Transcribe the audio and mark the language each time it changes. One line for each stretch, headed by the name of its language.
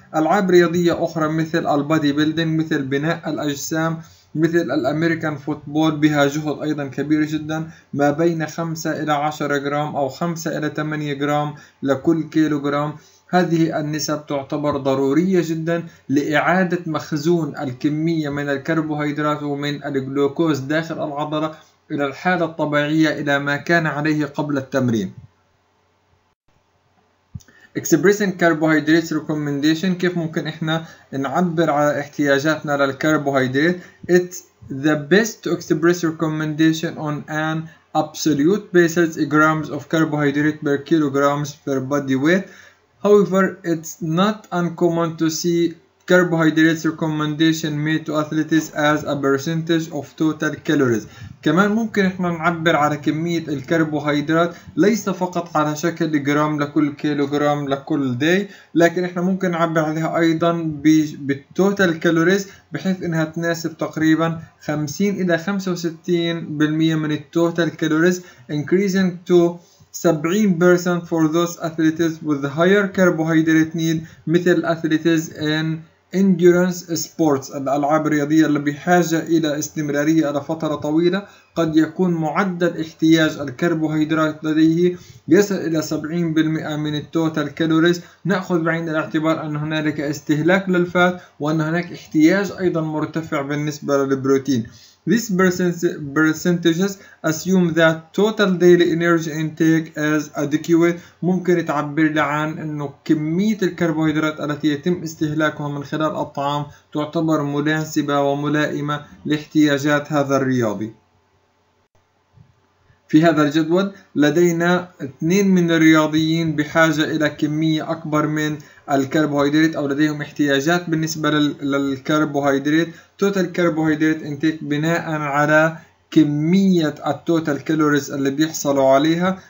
Arabic: العاب رياضية اخرى مثل البادي بيلدينج، مثل بناء الاجسام، مثل الامريكان فوتبول، بها جهد ايضا كبير جدا، ما بين 5 الى 10 جرام او 5 الى 8 جرام لكل كيلوغرام. هذه النسب تعتبر ضرورية جدا لإعادة مخزون الكمية من الكربوهيدرات ومن الجلوكوز داخل العضلة إلى الحالة الطبيعية، إلى ما كان عليه قبل التمرين.
English: Expressing carbohydrates recommendation،
Arabic: كيف ممكن إحنا نعبر على احتياجاتنا للكربوهيدرات؟
English: It's the best to express recommendation on an absolute basis grams of carbohydrate per kilograms per body weight. However, it's not uncommon to see carbohydrates recommendation made to athletes as a percentage of total calories.
Arabic: كمان ممكن احنا نعبر على كمية الكربوهيدرات ليس فقط على شكل جرام لكل كيلوغرام لكل داي، لكن احنا ممكن نعبر عليها ايضا بالتوتال كالوريز، بحيث انها تناسب تقريبا 50 إلى 65% من التوتال كالوريز،
English: increasing to 70% for those athletes with higher carbohydrate need،
Arabic: مثل
English: athletes in endurance sports،
Arabic: الألعاب الرياضية اللي بحاجة إلى استمرارية على فترة طويلة، قد يكون معدل احتياج الكربوهيدرات لديه يصل إلى 70% من التوتال كالوريز. نأخذ بعين الاعتبار أن هنالك استهلاك للفات وأن هناك احتياج أيضا مرتفع بالنسبة للبروتين.
English: These percentages assume that total daily energy intake is adequate.
Arabic: ممكن تعبر لي عن انه كمية الكربوهيدرات التي يتم استهلاكها من خلال الطعام تعتبر مناسبة وملائمة لاحتياجات هذا الرياضي. في هذا الجدول لدينا 2 من الرياضيين بحاجة الى كمية اكبر من الكربوهيدرات، او لديهم احتياجات بالنسبة للكربوهيدرات،
English: total carbohydrate intake
Arabic: بناء على كمية التوتال كالوريز اللي بيحصلوا عليها.